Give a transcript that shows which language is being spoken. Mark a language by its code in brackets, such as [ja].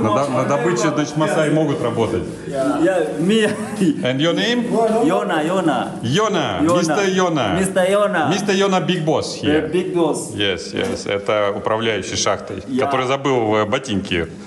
[ru] На добыче, значит, масаи могут работать. [en] Yeah. And your name? Йона. Мистер Йона, big boss here. Yeah, big boss. Yes. [ru] Это управляющий шахтой, который забыл ботинки.